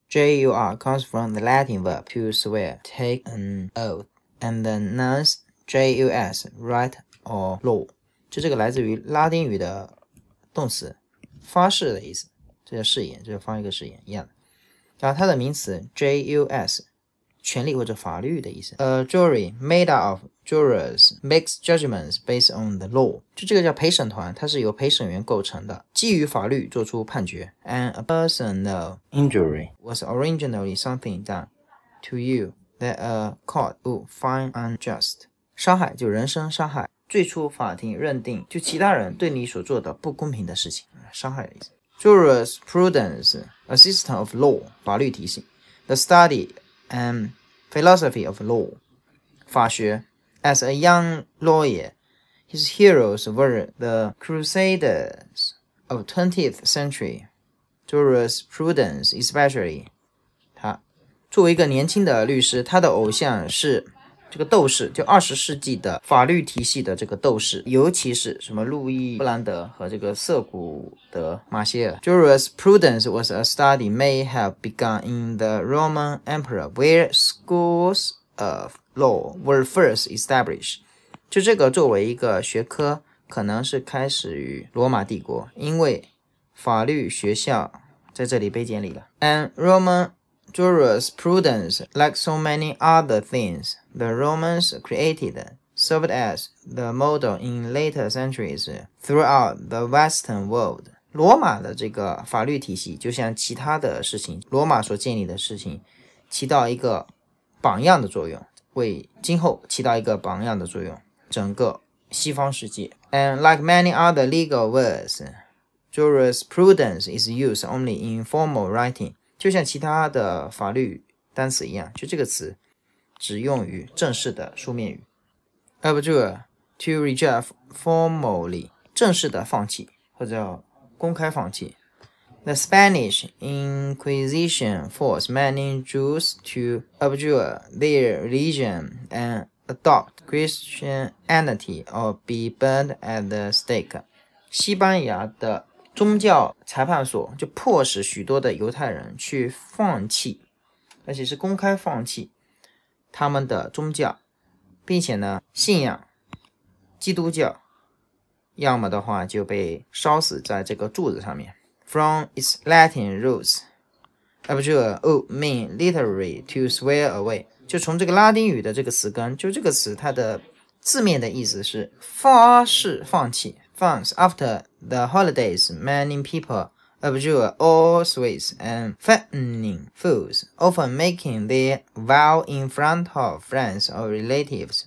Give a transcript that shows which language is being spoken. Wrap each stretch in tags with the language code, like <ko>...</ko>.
<en>J-U-R comes from the Latin verb to swear, take an oath, and the nouns J-U-S, right or law.</en> <zh>就这个来自于拉丁语的动词发誓的意思，这叫誓言，就是发一个誓言一样的。然后它的名词 J-U-S, 权力或者法律的意思。</zh> <en>Jury, made up of jurors, makes judgments based on the law.</en> <zh>就这个叫陪审团，它是由陪审员构成的，基于法律做出判决。</zh> <en>And a personal injury was originally something done to you that a court would find unjust.</en> <zh>伤害就人身伤害，最初法庭认定就其他人对你所做的不公平的事情，伤害的意思。</zh> <en>Jurisprudence, a system of law,</en> <zh>法律体系。</zh> <en>The study and philosophy of law,</en> <zh>法学。</zh> <en>As a young lawyer, his heroes were the crusaders of 20th century. Jurisprudence, especially.</en> <zh>他作为一个年轻的律师，他的偶像是这个斗士，就二十世纪的法律体系的这个斗士，尤其是什么路易布兰德和这个瑟古德马歇尔。</zh> <en>Jurisprudence was a study may have begun in the Roman Empire, where schools of law were first established.</en> <zh>就这个作为一个学科，可能是开始于罗马帝国，因为法律学校在这里被建立了。</zh> <en>And Roman jurisprudence, like so many other things the Romans created, served as the model in later centuries throughout the Western world.</en> <zh>罗马的这个法律体系就像其他的事情，罗马所建立的事情起到一个榜样的作用，为今后起到一个榜样的作用，整个西方世界。</zh> <en>And like many other legal words, jurisprudence is used only in formal writing.</en> <zh>就像其他的法律单词一样，就这个词只用于正式的书面语。</zh> <en>Abjure, to reject formally,</en> <zh>正式的放弃或者叫公开放弃。</zh> <en>The Spanish Inquisition forced many Jews to abjure their religion and adopt Christianity or be burned at the stake.</en> <zh>西班牙的宗教裁判所就迫使许多的犹太人去放弃，而且是公开放弃他们的宗教，并且呢信仰基督教，要么的话就被烧死在这个柱子上面。</zh> <en>From its Latin roots, abjure would mean literally to swear away.</en> <zh>就从这个拉丁语的这个词根，就这个词它的字面的意思是发誓放弃。</zh> <en>After the holidays, many people abjure all sweets and fattening foods, often making their vow in front of friends or relatives.</en>